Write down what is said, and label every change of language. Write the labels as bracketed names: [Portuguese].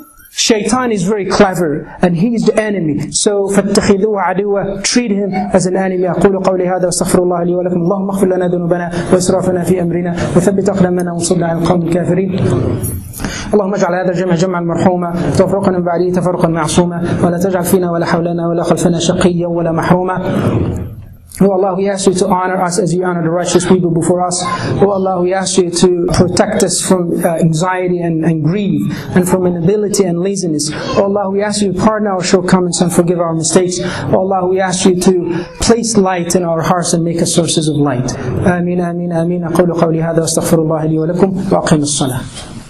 [English] Shaitan is very clever, and he is the enemy. So, [Arabic] فَاتَّخِذُوهُ عَدُوًا. [English] Treat him as an enemy. [Arabic] أَقُولُ قَوْلِ هَذَا وَاسْتَغْفِرُ اللَّهَ لِي وَلَكُمْ. اللَّهُمَّ اغْفِرْ لَنَا ذُنُوبَنَا وَإِسْرَافَنَا فِي أَمْرِنَا وَثَبِّتْ أَقْدَامَنَا وَانصُرْنَا عَلَى الْقَوْمِ الْكَافِرِينَ. اللهم اجعل هذا الجمع جمعا مرحوما، تفرقنا من بعده تفرقا معصوما، ولا تجعل فينا ولا حولنا ولا خلفنا شقيا ولا محروما. [English] Oh Allah, we ask you to honor us as you honor the righteous people before us. Oh Allah, we ask you to protect us from anxiety and grief, and from inability and laziness. Oh Allah, we ask you to pardon our shortcomings and forgive our mistakes. Oh Allah, we ask you to place light in our hearts and make us sources of light. Ameen, ameen, ameen. [Arabic] أقول قولي هذا واستغفر الله لي ولكم وأقيم الصلاة.